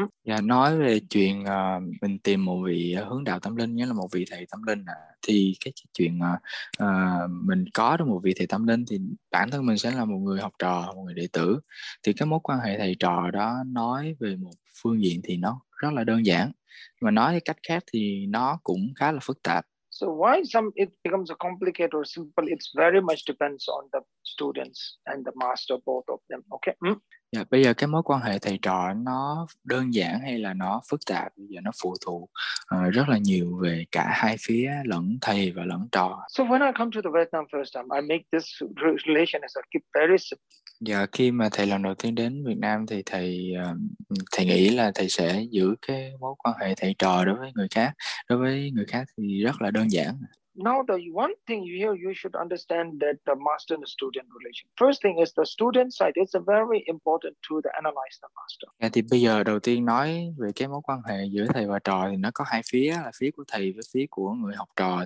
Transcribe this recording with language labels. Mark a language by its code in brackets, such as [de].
[vi] Yeah, nói về chuyện mình tìm một vị hướng đạo tâm linh, nghĩa là một vị thầy tâm linh thì cái chuyện mình có được một vị thầy tâm linh thì bản thân mình sẽ là một người học trò, một người đệ tử. Thì cái mối quan hệ thầy trò đó nói về một phương diện thì nó rất là đơn giản. Mà nói cái cách khác thì nó cũng khá là phức tạp. [en] So why some it becomes a complicated or simple, it's very much depends on the students and the master, both of them, okay? [vi] Yeah, bây giờ cái mối quan hệ thầy trò nó đơn giản hay là nó phức tạp, bây giờ nó phụ thuộc rất là nhiều về cả hai phía, lẫn thầy và lẫn trò. [en] So when I come to the Vietnam first time, I make this relation as a keep very simple. [vi] Dạ, khi mà thầy lần đầu tiên đến Việt Nam thì thầy nghĩ là thầy sẽ giữ cái mối quan hệ thầy trò đối với người khác thì rất là đơn giản. [en] Now, the one thing here you should understand that the master and the student relation. First thing is the student side. It's very important to analyze the master. [vi] Yeah, thì bây giờ đầu tiên nói về cái mối quan hệ giữa thầy và trò thì nó có hai phía, là phía của thầy với phía của người học trò.